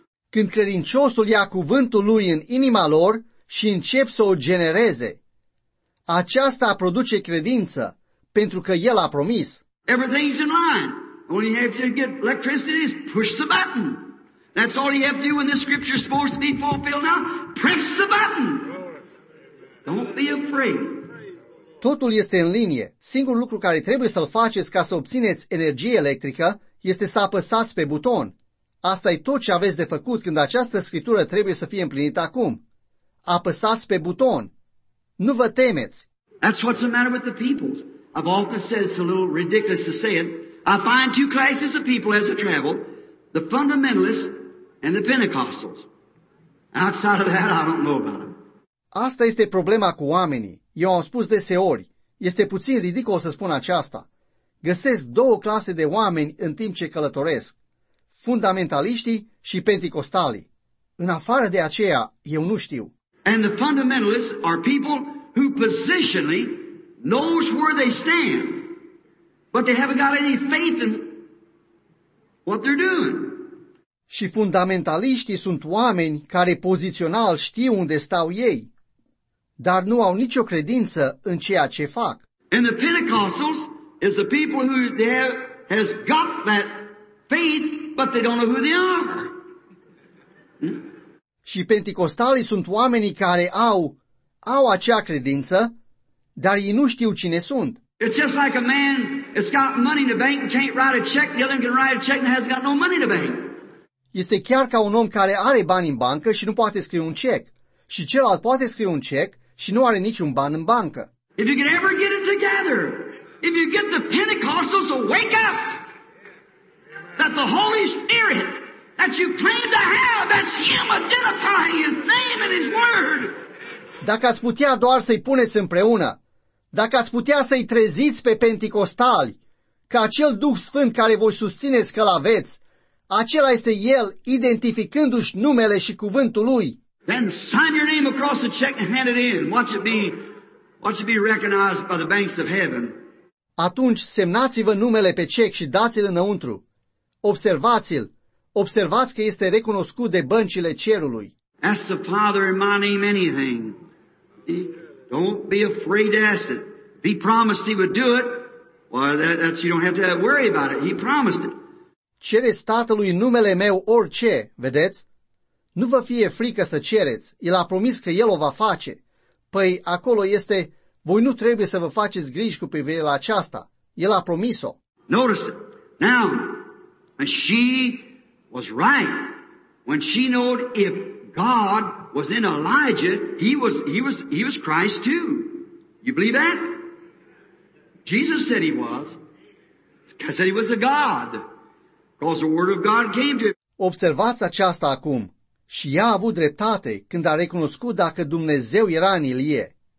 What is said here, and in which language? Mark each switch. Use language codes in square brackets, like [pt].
[ro] Când credinciosul ia cuvântul lui în inima lor și încep să o genereze, aceasta produce credință, pentru că el a promis. [en] Everything's in line. All you have to get electricity is push the button. That's all you have to do when this scripture is supposed to be fulfilled now. Press the button. Don't be afraid. [ro] Totul este în linie. Singurul lucru care trebuie să-l faceți ca să obțineți energie electrică este să apăsați pe buton. Asta e tot ce aveți de făcut când această scriptură trebuie să fie împlinită acum. Apăsați pe buton. Nu vă temeți. [en] That's what's the matter with the people. I've often said it's a little ridiculous to say it. I find two classes of people as I travel, the fundamentalists and the Pentecostals. Outside of that, I don't know about them. [ro] Asta este problema cu oamenii. Eu am spus deseori. Este puțin ridicol să spun aceasta. Găsesc două clase de oameni în timp ce călătoresc. Fundamentaliștii și penticostalii. În afară de aceea, eu nu știu. [en] And the fundamentalists are people who positionally knows where they stand, but they haven't got any faith in what they're doing. [ro] Și fundamentaliștii sunt oameni care pozițional știu unde stau ei, dar nu au nicio credință în ceea ce fac. [en] And the Pentecostals is the people who there has got that faith, but they don't know who they are. [ro] Și penticostalii sunt oamenii care au acea credință, dar ei nu știu cine sunt. [en] It's just like a man that's got money in the bank and can't write a check, the other one can write a check and has got no money in the bank. [ro] Este chiar ca un om care are bani în bancă și nu poate scrie un cec, și celălalt poate scrie un cec și nu are niciun ban în bancă. [en] If you can ever get it together, if you get the Pentecostals to wake up, that the Holy Spirit that you claim to have, that's him identifying his name and his word. [ro] Dacă ați putea doar să-i puneți împreună, dacă ați putea să-i treziți pe penticostali, că acel Duh Sfânt care voi susțineți că-l aveți, acela este El identificându-și numele și cuvântul Lui. [en] Then sign your name across the check and hand it in. Watch it be recognized by the banks of heaven. [ro] Atunci semnați-vă numele pe cec și dați-l înăuntru. Observați-l. Observați că este recunoscut de băncile cerului. [en] Ask the Father in my name anything. Don't be afraid to ask it. If he promised he would do it, well, that's you don't have to worry about it. He promised it. [ro] Cereți Tatălui numele meu orice, vedeți? Nu vă fie frică să cereți. El a promis că El o va face. Păi acolo este, voi nu trebuie să vă faceți griji cu privire la aceasta. El a promis-o. [en] Notice it. Now, and she was right when she knew if God was in Elijah, he was Christ too. You believe that? Jesus said he was. He said he was a God. Because the word of God came to him. [ro] Observați aceasta acum. Și ea a avut dreptate când a recunoscut dacă Dumnezeu era în Ilie.